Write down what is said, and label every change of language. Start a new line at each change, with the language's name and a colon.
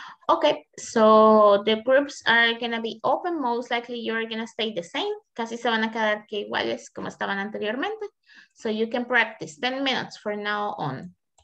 English: Okay, so the groups are gonna be open. Most likely you are gonna stay the same.
Spanish: Casi se van a quedar que iguales como estaban anteriormente.
English: So you can practice 10 minutes from now on.